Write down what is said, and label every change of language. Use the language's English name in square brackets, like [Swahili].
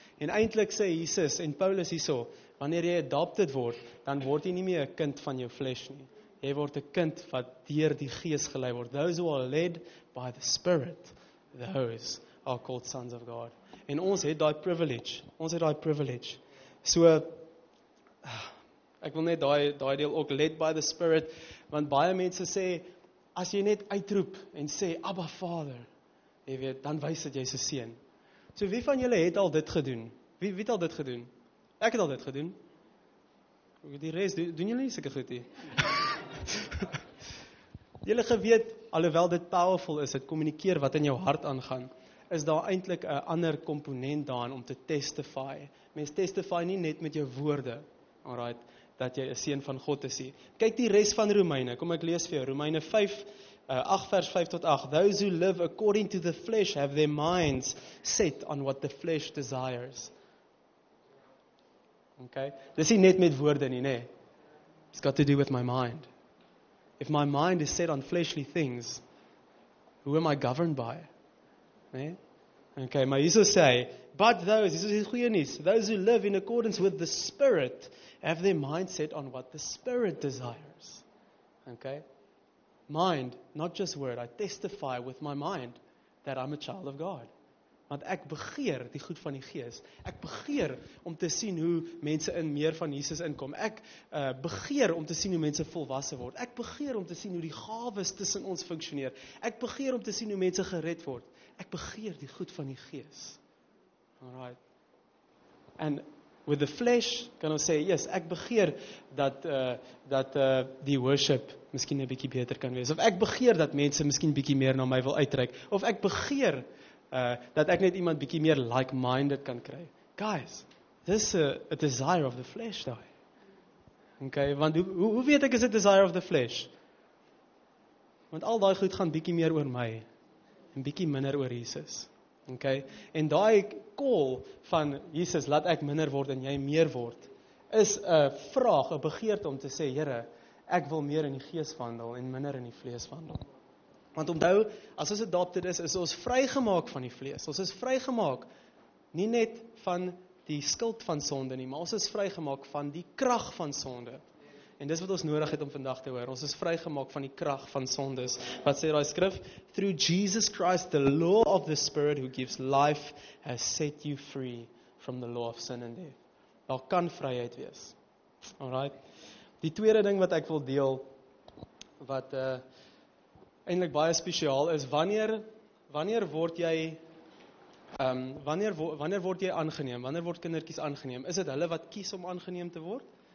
[Afrikaans] En eindelijk sê Jesus en Paulus hierso, wanneer jy adopted word, dan word jy nie meer 'n kind van jou flesh nie. Jy word 'n kind wat deur die gees gelei word. [English] Those who are led by the Spirit, those are called sons of God. [Afrikaans] En ons het die privilege. Ons het die privilege. So, ek wil net daai deel ook, [English] led by the Spirit, [Afrikaans] want baie mense sê, as jy net uitroep en sê, Abba Vader, jy weet, dan wys dat jy 'n seun. So wie van julle het al dit gedoen? Wie het al dit gedoen? Ek het al dit gedoen. Die res, doen julle nie sulke goed nie? Julle geweet, alhoewel dit powerful is, dit kommunikeer wat in jou hart aangaan, is daar eintlik 'n ander komponent daarin om te testify. Mens testify nie net met jou woorde, alright, dat jy 'n seun van God is. Kyk die res van Romeine, kom ek lees vir jou, Romeine 5, 8 vers 5 tot 8, [English] those who live according to the flesh have their minds set on what the flesh desires. [Afrikaans] Okay, dis nie net met woorde nie, nee. [English] It's got to do with my mind. If my mind is set on fleshly things, who am I governed by? Nee? [Afrikaans] Okay, maar Jesus sê, [English] but those, [Afrikaans] Jesus is goeie nuus, [English] those who live in accordance with the Spirit, have their mind set on what the Spirit desires. Okay? Mind, not just word, I testify with my mind that I'm a child of God. [Afrikaans] Want ek begeer die goed van die Gees. Ek begeer om te sien hoe mense in meer van Jesus inkom. Ek begeer om te sien hoe mense volwasse word. Ek begeer om te sien hoe die gawes tussen ons funksioneer. Ek begeer om te sien hoe mense gered word. Ek begeer die goed van die Gees. Alright. [English] And with the flesh, [Afrikaans] kan ons sê, yes, ek begeer dat die worship miskien 'n bietjie beter kan wees. Of ek begeer dat mense miskien bietjie meer na my wil uitreik. Of ek begeer dat ek net iemand bietjie meer like-minded kan kry. [English] Guys, this is a desire of the flesh, though. [Afrikaans] Okay, want hoe weet ek is dit [English] desire of the flesh? [Afrikaans] Want al die goed gaan bietjie meer oor my en bietjie minder oor Jesus. Okay, en die call van Jesus, laat ek minder word en jy meer word, is 'n vraag, 'n begeerte om te sê, Here, ek wil meer in die gees wandel en minder in die vlees wandel. Want onthou, as ons adopted is, is ons vrygemaak van die vlees. Ons is vrygemaak nie net van die skuld van sonde nie, maar ons is vrygemaak van die krag van sonde. En dis wat ons nodig het om vandag te hoor. Ons is vrygemaak van die krag van sondes. Wat sê daai skrif? [English] Through Jesus Christ, the law of the Spirit who gives life has set you free from the law of sin and death. [Afrikaans] Daar kan vryheid wees. Alright. Die tweede ding wat ek wil deel, wat eintlik baie spesiaal is, wanneer word jy aangeneem? Wanneer word kindertjies aangeneem? Is dit hulle wat kies om aangeneem te word?